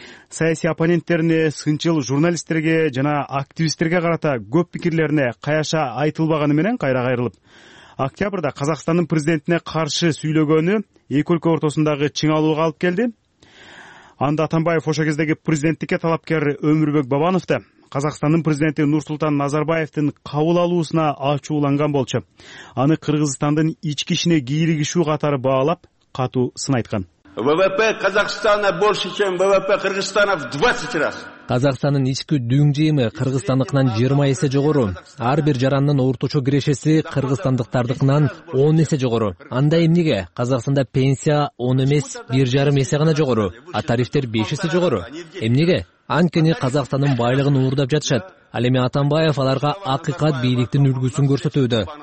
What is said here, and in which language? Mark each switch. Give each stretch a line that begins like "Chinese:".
Kyrgyz: Саясий оппоненттерине, сынчыл журналисттерге жана активисттерге карата көп пикирлерине каяша айтылбаганы менен кайра кайрылып, октябрда Казакстандын президентине каршы сүйлөгөнү эки өлкө ортосундагы чыңалууга алып келди. Анда Атамбаев ошо кездеги президенттикке талапкер Өмүрбек Бабановду Казакстандын президенти Нурсултан Назарбаевдин кабыл алуусуна ачууланган болчу. Аны Кыргызстандын ички ишине кийлигишүү катары баалап, катуу сын айткан.
Russian: ВВП Казахстана больше, чем ВВП Кыргызстана в 20 раз.
Kyrgyz: Казахстандын ички дүң жыйымы Кыргызстандыкынан 20 эсе жогору. Ар бир жарандын орточо кирешеси кыргызстандыктардыкынан 10 эсе жогору. Анда эмнеге? Казахстанда пенсия 10 эмес, 1.5 эсе гана жогору, а тарифтер 5 эсе жогору. Эмнеге? Анткени Казахстандын байлыгын уурдап жатышат. Ал эми Атамбаев аларга акыйкат бийликтин үлгүсүн көрсөтүүдө.